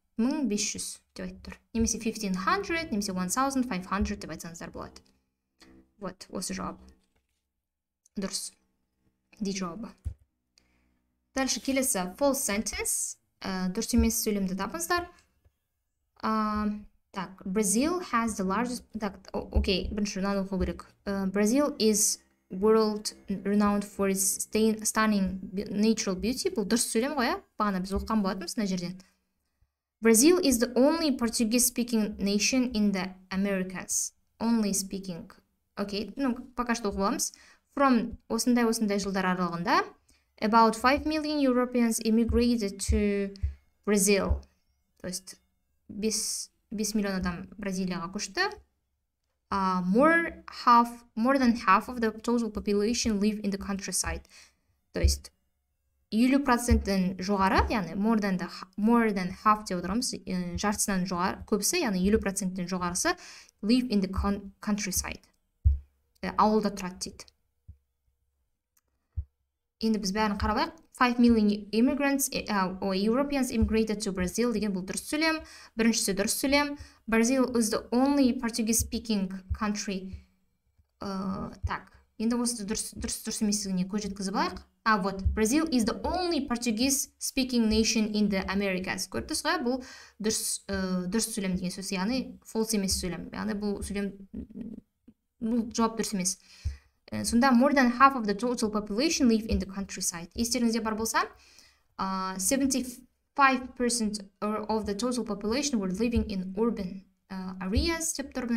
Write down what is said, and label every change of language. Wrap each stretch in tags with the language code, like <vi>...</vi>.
<kk>1500 деп айтып тұр. Немесе 1500, немесе 1500 деп айтсаңыздар болады. Вот, осы жауап. Дұрыс. Ди жауабы.</kk> <ru>Дальше</ru> <kk>келесі</kk> <en>false sentence.</en> <kk>Дұрыс емес сөйлемді табыңыздар.</kk> <ru>Так,</ru> <en>Brazil has the largest...</en> <ru>Так,</ru> <kk>окей, бірінші жұрнан оқу керек.</kk> <en>Brazil is world renowned for its stunning natural beauty.</en> <kk>Бұл дұрыс сөйлем ғой, бағана біз оқыған болатынбыз мына жерден.</kk> <en>Brazil is the only Portuguese speaking nation in the Americas. Only speaking.</en> <kk>Окей,</kk> <ru>ну, пока что</ru> <kk>оқып аламыз.</kk> <en>From</en> <kk>осындай осындай жылдар аралығында</kk> <en>about 5 million Europeans immigrated to Brazil.</en> <kk>То есть 5 миллион адам Бразилияға көшті.</kk> <en>More than half of the total population live in the countryside.</en> <ru>То есть</ru> <kk>50%-ден жоғары, яғни</kk> <en>more than half</en> <kk>деп отырамыз, жартысынан жоғары, көбісі, яғни 50%-ден жоғарысы</kk> <en>live in the countryside.</en> <kk>Ауылда тұрады дейді. Енді біз бәрін қарабайық.</kk> <en>5 million immigrants or Europeans immigrated to Brazil</en> <kk>деген бұл дұрыс сөйлем. Біріншісі дұрыс сөйлем.</kk> <en>Brazil is the only Portuguese speaking country.</en> <ru>Так,</ru> <kk>енді осы дұрыс еместігіне көз жеткізіп алайық.</kk> <ru>А вот,</ru> <en>Brazil is the only Portuguese speaking nation in the Americas.</en> <kk>Көрдіңіз ғой, бұл дұрыс сөйлем деген сөз, яғни false емес сөйлем. Яғни бұл сөйлем бұл жауап дұрыс емес.</kk> <en>Сонда more than half of the total population live in the countryside.</en> <kk>Естеріңізде бар болса,</kk> <en>75% of the total population were living in urban areas</en> <kk>деп тұр.</kk>